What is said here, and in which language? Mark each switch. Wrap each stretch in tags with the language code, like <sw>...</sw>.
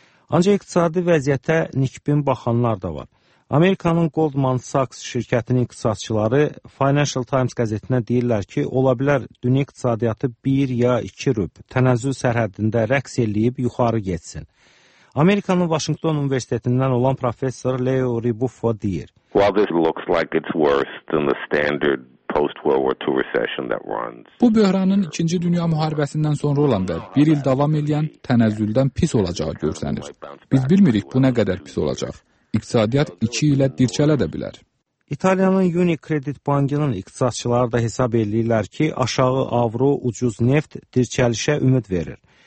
<az>Ancaq iqtisadi vəziyyətə nikbin baxanlar da var. Amerikanın Goldman Sachs şirkətinin iqtisadçıları Financial Times qəzetinə deyirlər ki, ola bilər dünya iqtisadiyyatı 1 ya 2 rüb tənəzzül sərhədində rəqs eləyib yuxarı getsin. Amerikanın Washington Universitetindən olan professor Leo Ribuffo deyir.</az> <en>While this looks like it's worse than the standard post-World War II recession that runs.</en> <az>Bu böhranın 2-ci dünya müharibəsindən sonra olan və 1 il davam edən tənəzzüldən pis olacağı görsənir. Biz bilmirik bu nə qədər pis olacaq. İqtisadiyyat 2 ilə dirçələ də bilər. İtaliyanın UniCredit bankının iqtisadçıları da hesab edirlər ki, aşağı avro, ucuz neft dirçəlişə ümid verir.</az>